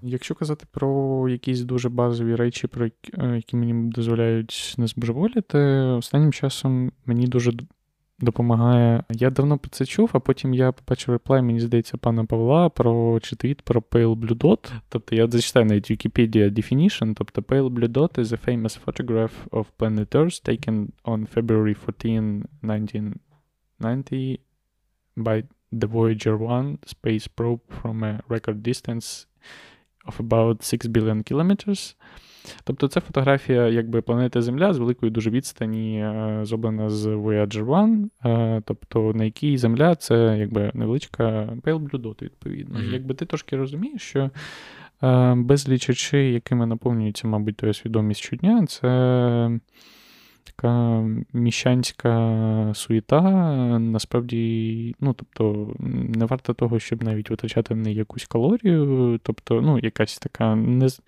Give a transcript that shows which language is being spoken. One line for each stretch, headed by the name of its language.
Ukrainian: Якщо казати про якісь дуже базові речі, про які мені дозволяють не збожеволіти, останнім часом мені дуже допомагає. Я давно про це чув, а потім я побачив реплай, мені здається, пана Павла, чи твіт про Pale Blue Dot. Тобто я зачитаю навіть
English: Wikipedia definition.
Ukrainian: Тобто
English: Pale Blue Dot is a famous photograph of planet Earth taken on February 14, 1990 by the Voyager 1 space probe from a record distance of about 6 billion kilometers.
Ukrainian: Тобто це фотографія якби планети Земля з великої дуже відстані, зроблена з Voyager 1, тобто на якій Земля це якби невеличка Pale Blue Dot відповідно. Mm-hmm. Якби ти трошки розумієш, що Безліч речей, якими наповнюється, мабуть, твоя свідомість щодня, це така міщанська суєта, насправді, ну, тобто, не варто того, щоб навіть витрачати в неї якусь калорію, тобто, ну, якась така, не...